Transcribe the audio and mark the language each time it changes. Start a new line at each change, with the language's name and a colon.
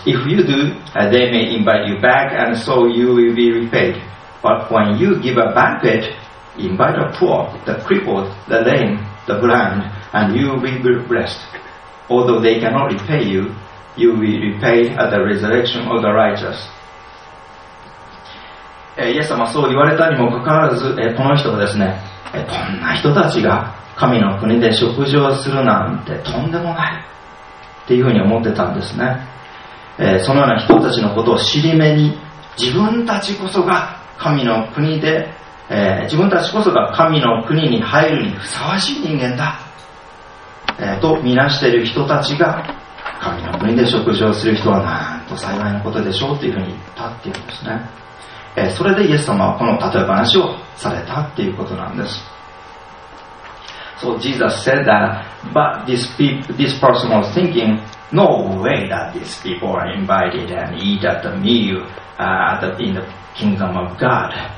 English: If you do, they may invite you back, and so you will be repaid. But when you give a banquet, invite the poor, the crippled, the lame, the blind, and you will be blessed. Although they cannot repay you, you will be repaid at the resurrection of the righteous.
Japanese: イエス様そう言われたにもかかわらず、この人はですね、こんな人たちが神の国で食事をするなんてとんでもないっていうふうに思ってたんですね。そのような人たちのことを尻目に、自分たちこそが神の国で、自分たちこそが神の国に入るにふさわしい人間だ、と見なしている人たちが神の国で食事をする人はなんと幸いなことでしょうっていうふうに言ったっていうんですね。それでイエス様はこの例え話をされたっていうことなんです。
English: So Jesus said that, but this person was thinking, no way that these people are invited and eat at the meal in the kingdom of God.